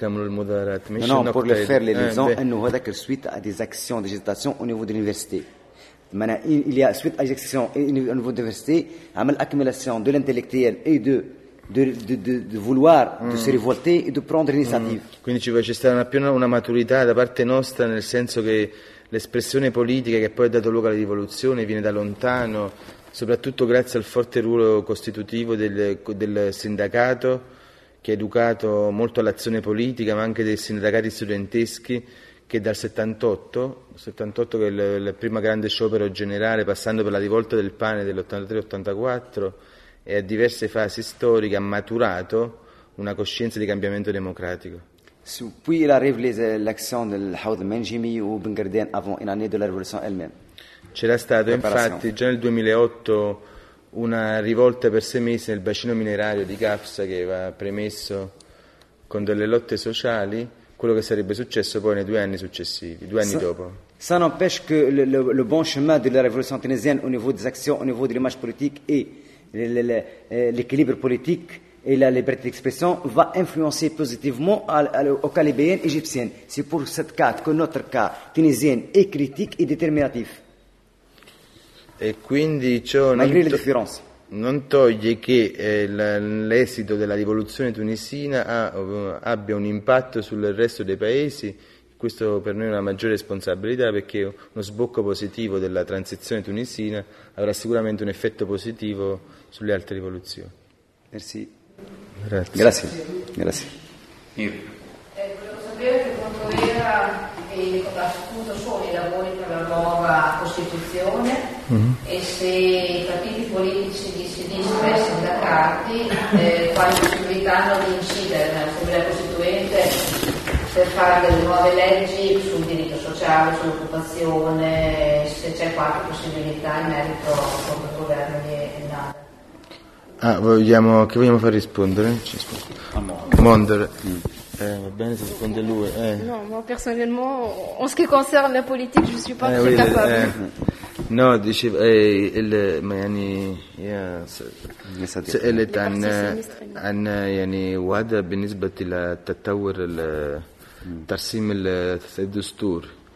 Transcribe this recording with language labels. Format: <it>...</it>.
<fr>je vais terminer. Non, pour le faire, les gens, nous avons suite à des actions de gestation au niveau de l'université. Maintenant, il y a suite à des actions au niveau de l'université, à l'accumulation de l'intellectuel et de vouloir de se révolter et de prendre l'initiative.</fr> <it>Quindi ci c'è stata una maturità da parte nostra nel senso che l'espressione politica che poi ha dato luogo alla rivoluzione viene da lontano, soprattutto grazie al forte ruolo costitutivo del sindacato che ha educato molto all'azione politica, ma anche dei sindacati studenteschi che dal 78 che è il primo grande sciopero generale, passando per la rivolta del pane dell'83-84 e a diverse fasi storiche ha maturato una coscienza di cambiamento democratico.</it> <fr>Puis il arrive l'action del Haud Menjimi o Ben Gardien avant une année de la révolution elle-même.</fr> <it>C'era stato infatti già nel 2008 una rivolta per sei mesi nel bacino minerario di Kafsa che aveva premesso con delle lotte sociali quello che sarebbe successo poi nei due anni successivi, due anni dopo.</it> <fr>Ça n'empêche que le bon chemin de la révolution tunisienne au niveau des actions, au niveau de l'image politique et l'équilibre politique et la liberté d'expression va influencer positivement au calibéen égyptien. C'est pour cette carte que notre cas tunisien est critique et déterminatif.</fr> <it>Et quindi ciò</it> <fr>malgré la différence.</fr> <it>Non toglie che l'esito della rivoluzione tunisina abbia un impatto sul resto dei paesi. Questo per noi è una maggiore responsabilità perché uno sbocco positivo della transizione tunisina avrà sicuramente un effetto positivo sulle altre rivoluzioni. Merci. Grazie. Grazie. Volevo sapere che punto era appunto sono i lavori per la nuova Costituzione e se i partiti politici di sinistra e sindacati quali possibilità hanno di incidere nell'Assemblea Costituente per fare delle nuove leggi sul diritto sociale, sull'occupazione, se c'è qualche possibilità in merito al governo di Nader. Ah, vogliamo, che vogliamo far rispondere? Ci Mondor. Va bene, se risponde lui. No, ma personalmente,</it> <fr>in ce qui concerne</fr> <it>la politica,</it> <fr>je suis pas très capable. No, diceva, Mayani, yeah, l'età, Mayani, Wada,</fr> <ar>بالنسبة إلى التطور ترسيم الدستور.</ar>